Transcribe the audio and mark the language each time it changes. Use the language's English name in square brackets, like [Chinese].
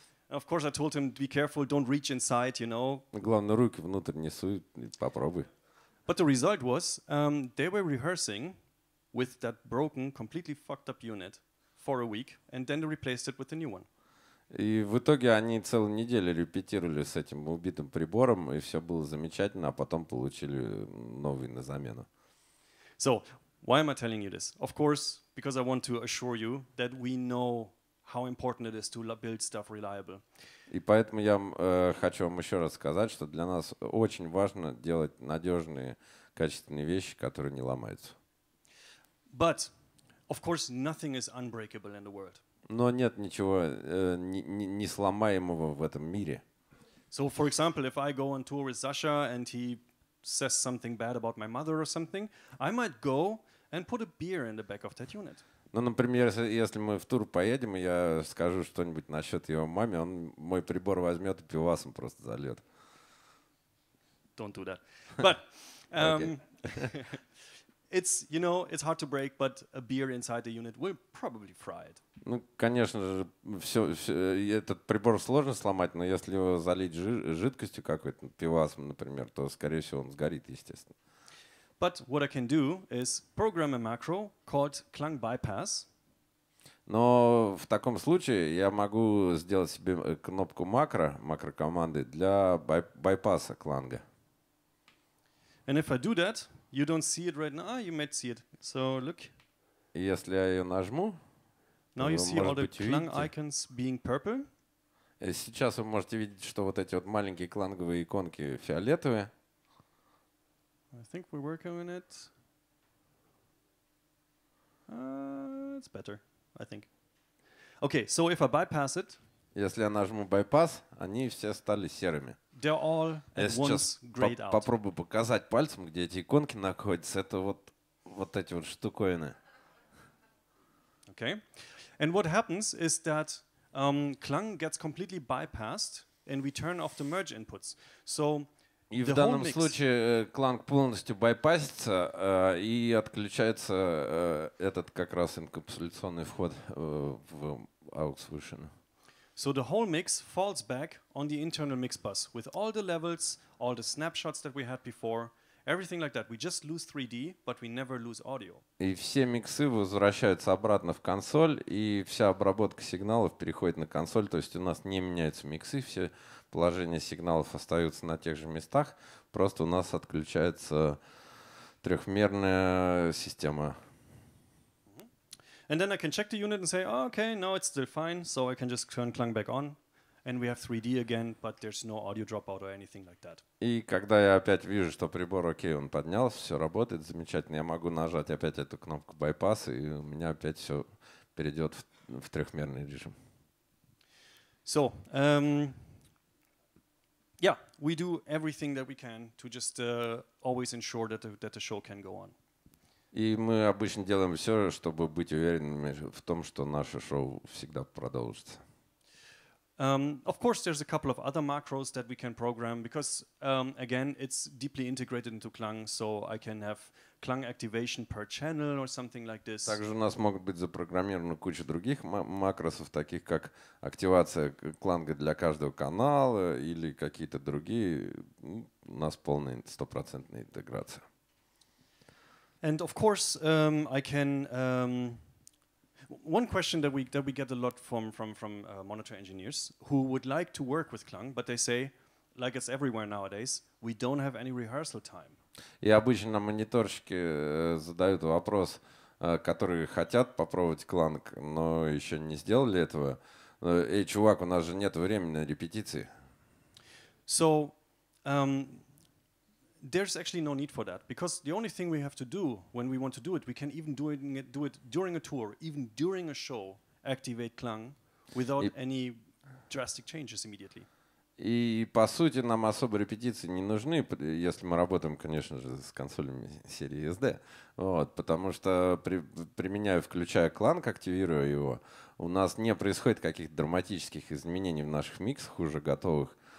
[English] Of course, I told him, be careful, don't reach inside, you know. [Russian] Главное, руки внутрь не суй, попробуй. [English] But the result was, they were rehearsing with that broken, completely fucked up unit for a week, and then they replaced it with a new one. [Russian] И в итоге они целую неделю репетировали с этим убитым прибором, и все было замечательно, а потом получили новый на замену. [English] So, why am I telling you this? Of course, because I want to assure you that we know how important it is to build stuff reliable. [Russian] И поэтому я хочу вам еще раз сказать, что для нас очень важно делать надежные, качественные вещи, которые не ломаются. [English] But, of course, nothing is unbreakable in the world. [Russian] Но нет ничего несломаемого в этом мире. [English] So, for example, if I go on tour with Sasha and he says something bad about my mother or something, I might go and put a beer in the back of that unit. [Russian] Ну, например, если мы в тур поедем, и я скажу что-нибудь насчет его маме, он мой прибор возьмет и пивасом просто зальет. [English] Don't do that. But okay. It's, you know, it's hard to break, but a beer inside the unit will probably fry it. [Russian] Ну, конечно же, все этот прибор сложно сломать, но если его залить жидкостью какой-то, пивасом, например, то, скорее всего, он сгорит, естественно. [English] But what I can do is program a macro called Clang bypass. [Russian] Но в таком случае я могу сделать себе кнопку макро команды для байпаса Clang. [English] And if I do that, you don't see it right now. You might see it. So look. [Russian] Если я ее нажму, [English] now you see all the Clang icons being purple. [Russian] Сейчас вы можете видеть, что вот эти вот маленькие кланговые иконки фиолетовые. [English] I think we're working on it. It's better, I think. Okay, so if I bypass it, [Russian] если я нажму bypass, они все стали серыми. [English] They're all at once grayed out. [Russian] Попробую показать пальцем, где эти иконки находятся. Это вот, вот эти вот штуковины. [English] Okay. And what happens is that Klang gets completely bypassed and we turn off the merge inputs. So [Russian] и в данном случае Klang полностью байпасится и отключается этот как раз инкапсуляционный вход в AUX вышину. [English] So the whole mix falls back on the internal mix bus with all the levels, all the snapshots that we had before, everything like that. We just lose 3D, but we never lose audio. [Russian] И все миксы возвращаются обратно в консоль, и вся обработка сигналов переходит на консоль, то есть у нас не меняются миксы, все положения сигналов остаются на тех же местах, просто у нас отключается трехмерная система. [English] And then I can check the unit and say, oh, okay, now it's still fine, so I can just turn Klang back on, and we have 3D again, but there's no audio dropout or anything like that. [Russian] И когда я опять вижу, что прибор окей, он поднялся, все работает замечательно, я могу нажать опять эту кнопку bypass, и у меня опять все перейдет в трехмерный режим. [English] So, yeah, we do everything that we can to just always ensure that the show can go on. [Russian] И мы обычно делаем все, чтобы быть уверенными в том, что наше шоу всегда продолжится. [English] Of course, there's a couple of other macros that we can program because, again, it's deeply integrated into Klang, so I can have Klang activation per channel or something like this. [Russian] Также у нас могут быть запрограммированы куча других макросов, таких как активация Кланга для каждого канала или какие-то другие. У нас полная 100% интеграция. [English] And of course, I can. One question that we get a lot from monitor engineers who would like to work with Klang, but they say, like it's everywhere nowadays, we don't have any rehearsal time. [Russian] И обычно мониторщики задают вопрос, которые хотят попробовать Klang, но еще не сделали этого. Эй, чувак, у нас же нет времени на репетиции. [English] So. There's actually no need for that because the only thing we have to do when we want to do it, we can even do it during a tour, even during a show, activate Klang without any drastic changes immediately. [Russian] И по сути нам особо репетиции не нужны, если мы работаем, конечно же, с консолями серии SD. Вот, потому что применяю, включая Klang, активируя его, у нас не происходит каких-то драматических изменений в наших миксах уже готовых.